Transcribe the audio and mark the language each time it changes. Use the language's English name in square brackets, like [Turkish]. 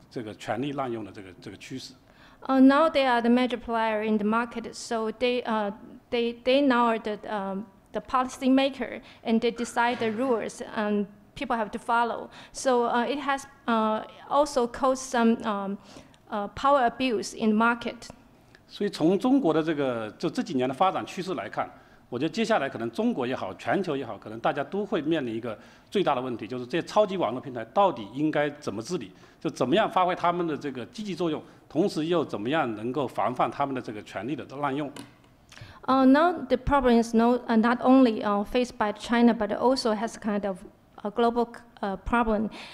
[Chinese] 那么目前来说，基本上是就这些巨头，就是他们在制定规则，然后执行规则，就说这个实际上存在着很多这个权力滥用的这个趋势。 [English] Now they are the major player in the market, so they now are the policy maker, and they decide the rules and people have to follow. So it has also caused some power abuse in the market. [Chinese] 所以从中国的这个就这几年的发展趋势来看，我觉得接下来可能中国也好，全球也好，可能大家都会面临一个最大的问题，就是这些超级网络平台到底应该怎么治理，就怎么样发挥他们的这个积极作用。同时又怎么样能够防范他们的这个权利的滥用？ [English] Now the problem is not only faced by China, but also has kind of a global problem.